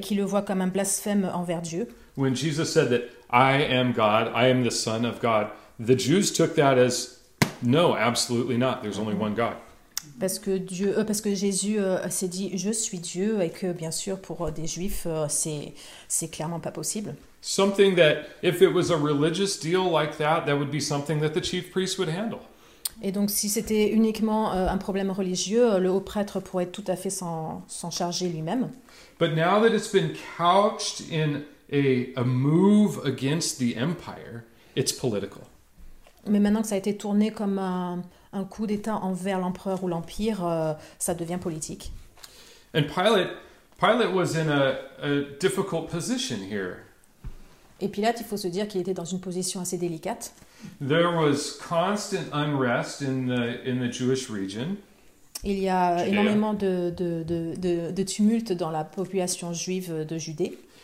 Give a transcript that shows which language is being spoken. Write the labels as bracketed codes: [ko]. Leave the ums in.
[fr] qu'il le voit comme un blasphème envers Dieu. [en] I am God. I am the Son of God. The Jews took that as no, absolutely not. There's only mm -hmm. one God. [fr] Parce, Dieu, euh, parce Jésus euh, s'est dit, je suis Dieu, et que bien sûr pour euh, des Juifs, euh, c est, c est possible. [en] Something that, if it was a religious deal like that, that would be something that the chief priest would handle. [fr] Et donc, si c'était uniquement euh, un problème religieux, le haut prêtre pourrait tout à fait sans, sans [en] But now that it's been couched in A, a move the empire, it's [fr] Mais maintenant que ça a été tourné comme un, un coup d'État envers l'empereur ou l'empire, euh, ça devient politique. [en] And Pilate, Pilate was in a, a difficult position here. [fr] Et Pilate, il faut se dire qu'il était dans une position assez délicate. [en] There was constant unrest in the, in the Jewish region. [fr] Il y a Judée. énormément de, de, de, de, de tumulte dans la population juive de Judée.